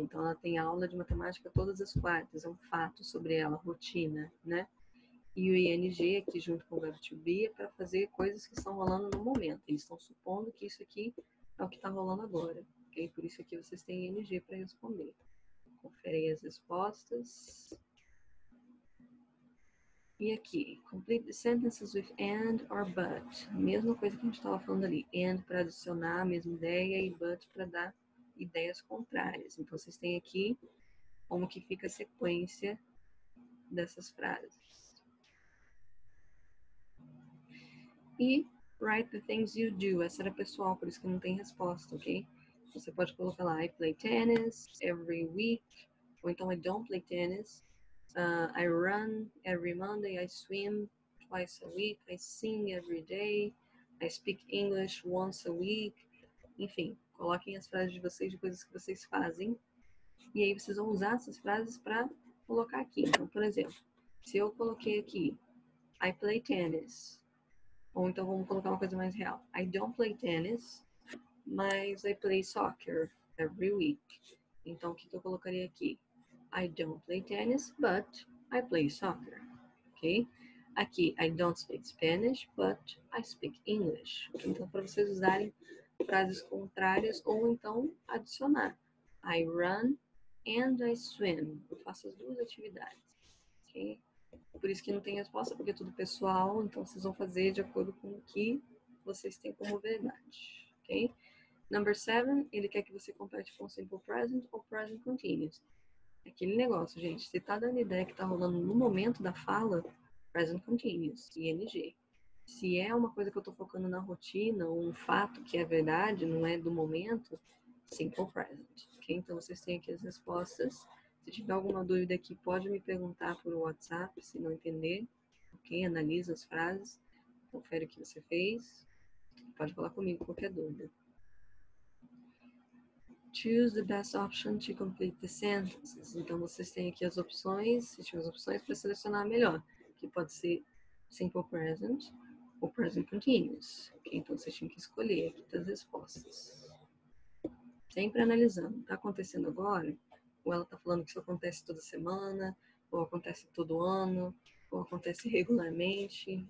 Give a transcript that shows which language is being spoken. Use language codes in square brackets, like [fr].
[pt] Então, ela tem aula de matemática todas as quartas. É um fato sobre ela, rotina, né? E o ING aqui junto com o verbo to be é para fazer coisas que estão rolando no momento. Eles estão supondo que isso aqui é o que está rolando agora. Okay? Por isso aqui vocês têm ING para responder. Conferem as respostas. [en] E aqui, complete the sentences with and or but. [pt] Mesma coisa que a gente estava falando ali. And para adicionar a mesma ideia e but para dar ideias contrárias. Então vocês têm aqui como que fica a sequência dessas frases. E [en] write the things you do. [pt] Essa era pessoal, por isso que não tem resposta, ok? Você pode colocar lá, [en] I play tennis every week. Ou então, I don't play tennis. I run every Monday. I swim twice a week. I sing every day. I speak English once a week. [pt] Enfim, coloquem as frases de vocês, de coisas que vocês fazem. E aí, vocês vão usar essas frases para colocar aqui. Então, por exemplo, se eu coloquei aqui, [en] I play tennis. [pt] Ou então vamos colocar uma coisa mais real. [en] I don't play tennis, mas I play soccer every week. [pt] Então, o que eu colocaria aqui? [en] I don't play tennis, but I play soccer. Ok? Aqui, I don't speak Spanish, but I speak English. [pt] Então, para vocês usarem frases contrárias ou então adicionar. [en] I run and I swim. [pt] Eu faço as duas atividades. [en] Ok? [pt] Por isso que não tem resposta, porque é tudo pessoal, então vocês vão fazer de acordo com o que vocês têm como verdade, ok? Number 7, ele quer que você complete com simple present ou present continuous. Aquele negócio, gente, se tá dando ideia que tá rolando no momento da fala, present continuous, ING. Se é uma coisa que eu tô focando na rotina, ou um fato que é verdade, não é do momento, simple present, ok? Então vocês têm aqui as respostas. Se tiver alguma dúvida aqui, pode me perguntar por WhatsApp, se não entender. Ok? Analisa as frases. Confere o que você fez. Pode falar comigo qualquer dúvida. [en] Choose the best option to complete the sentences. [pt] Então, vocês têm aqui as opções. Se tiver as opções, para selecionar a melhor. Que pode ser simple present ou present continuous. Ok? Então, vocês tinham que escolher aqui as respostas. Sempre analisando. Está acontecendo agora? Ou ela tá falando que isso acontece toda semana, ou acontece todo ano, ou acontece regularmente.